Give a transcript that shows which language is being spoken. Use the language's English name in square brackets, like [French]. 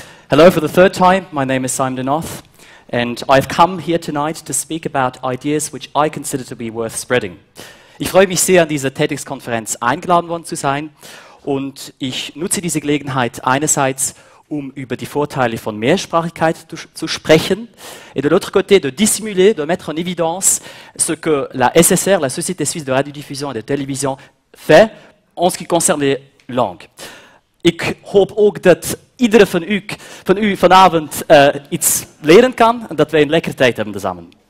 [English] Hello, for the third time, my name is Simon Denoth, and I've come here tonight to speak about ideas which I consider to be worth spreading. [German] Ich freue mich sehr, an dieser TEDx-Konferenz eingeladen worden zu sein, und ich nutze diese Gelegenheit einerseits, um über die Vorteile von Mehrsprachigkeit zu sprechen, [French] et de l'autre côté, de dissimuler, de mettre en évidence ce que la SSR, la Société Suisse de Radiodiffusion et de Télévision, fait en ce qui concerne les langues. [Dutch] Ik hoop ook dat iedere van u vanavond iets leren kan en dat wij een lekkere tijd hebben samen.